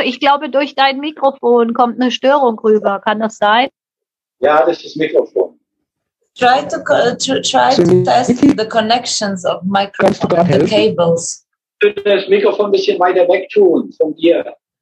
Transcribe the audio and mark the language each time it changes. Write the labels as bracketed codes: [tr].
[de] Ich glaube, durch dein Mikrofon kommt eine Störung rüber. Kann das sein? Ja, das ist Mikrofon. [en] Try to test the connections of microphone, the cables. [de] Könnt ihr das Mikrofon ein bisschen weiter weg tun von dir?